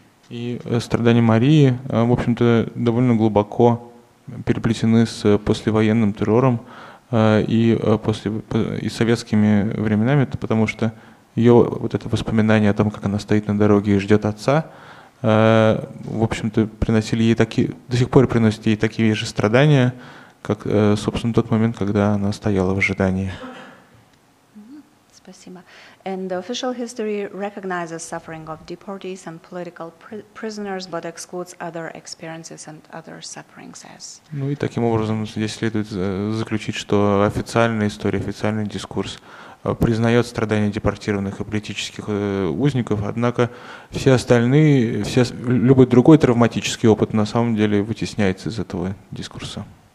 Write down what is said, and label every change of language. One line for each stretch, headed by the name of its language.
Russian: И страдания Марии, в общем-то, довольно глубоко переплетены с послевоенным террором и советскими временами, потому что ее вот это воспоминание о том, как она стоит на дороге и ждет отца, в общем-то, приносили ей такие, до сих пор приносят ей такие же страдания, как, собственно, тот момент, когда она стояла в ожидании. Спасибо.
English: And the official history recognizes suffering of deportees and political prisoners, but excludes other experiences and other sufferings as.
Russian: Ну и таким образом здесь следует заключить, что официальная история, официальный дискурс признает страдания депортированных и политических узников, однако все остальные, все, любой другой травматический опыт на самом деле вытесняется из этого дискурса.